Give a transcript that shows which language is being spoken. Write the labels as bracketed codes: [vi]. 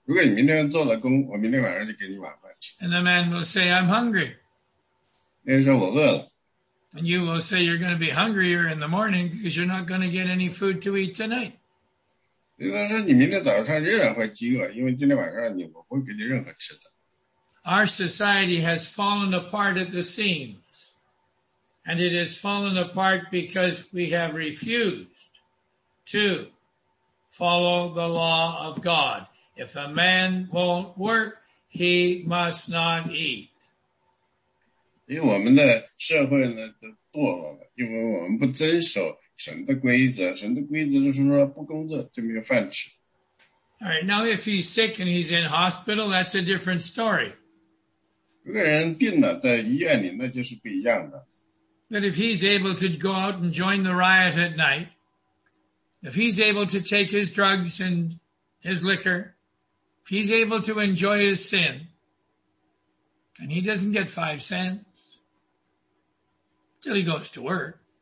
[zh] 你就说呢,你今天晚上你就不用吃饭了,你明天晚上过来,如果你明天做了工,我明天晚上就给你晚饭吃。 [en] And the man will say, I'm hungry. [zh] 那人说,我饿了。 [en] And you will say, you're going to be hungrier in the morning because you're not going to get any food to eat tonight. [zh] 那人说,你明天早上仍然会饥饿,因为今天晚上我不会给你任何吃的。 [en] Our society has fallen apart at the seams. And it has fallen apart because we have refused to follow the law of God. If a man won't work, he must not eat. [zh] 因为我们的社会呢,都堕落了,因为我们不遵守神的规则,神的规则就是说不工作,就没有饭吃。 [en] All right, now if he's sick and he's in hospital, that's a different story. [zh] 如果人病了,在医院里,那就是不一样的。 [en] But if he's able to go out and join the riot at night, if he's able to take his drugs and his liquor, if he's able to enjoy his sin, and he doesn't get 5 cents till he goes to work.